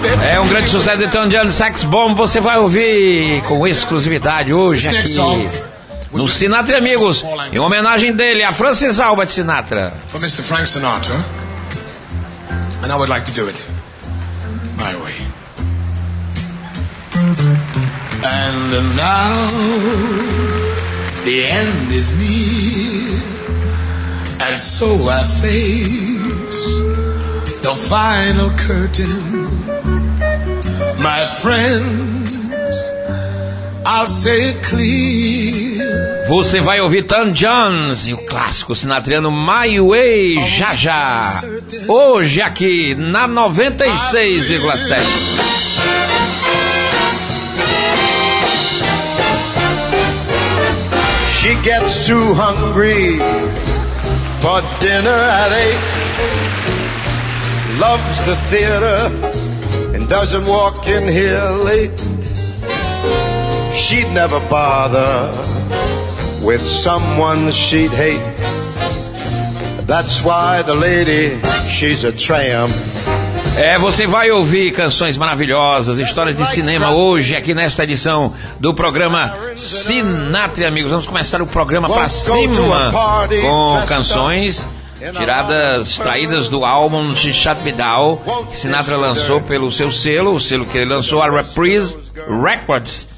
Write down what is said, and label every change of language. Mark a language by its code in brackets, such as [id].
[pt] É um grande sucesso de Tom Jones, Sex Bomb. Você vai ouvir com exclusividade hoje aqui no Sinatra Amigos, em homenagem dele a Francis Albert Sinatra. [en] For Mr. Frank Sinatra, and I would like to do it my way. And now the end is near, and so I face the final curtain. My friends, I'll say it clear. [pt] Você vai ouvir Tom Jones e o clássico sinatriano My Way já já. Hoje aqui na 96,7. [en] She gets too hungry for dinner at 8. Loves the theater. And doesn't walk in here late. She'd never bother with someone she'd hate. That's why the lady, she's a tramp. [pt] É, você vai ouvir canções maravilhosas, histórias de cinema hoje aqui nesta edição do programa Sinatra, amigos. Vamos começar o programa pra cima com canções tiradas, extraídas do álbum She Shut Me Down, que Sinatra lançou pelo seu selo, o selo que ele lançou, a Reprise Records.